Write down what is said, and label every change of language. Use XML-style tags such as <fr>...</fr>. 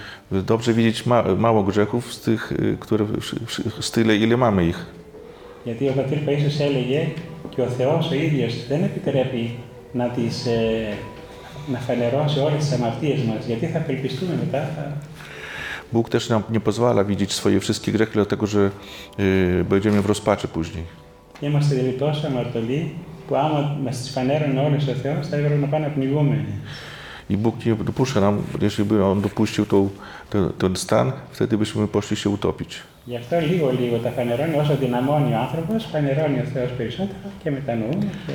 <pl>dobrze widzieć mało grzechów z tych, które z tyle, ile mamy ich.</pl> <el>Γιατί ο πατήρ Παΐσιος έλεγε και ο Θεός ο ίδιος δεν επιτρέπει να, τις, να φανερώσει όλες τις αμαρτίες μας, γιατί θα απελπιστούμε μετά.</el> <pl>Bóg też nam nie pozwala widzieć swoje wszystkie grzechy, dlatego że będziemy w rozpaczy później.</pl> <el>Είμαστε δηλαδή τόσο αμαρτωλοί που άμα μας τις φανέρωνε όλες ο Θεός θα έπρεπε να πάμε να πνιγούμε.</el> <pl>I Bóg nie dopuszcza nam, jeśli by On dopuścił ten stan, wtedy byśmy poszli się utopić.</pl> <el>Γι' αυτό λίγο λίγο τα φανερώνει, όσο δυναμώνει ο άνθρωπος, φανερώνει ο Θεός περισσότερο και μετανοούμε.</el>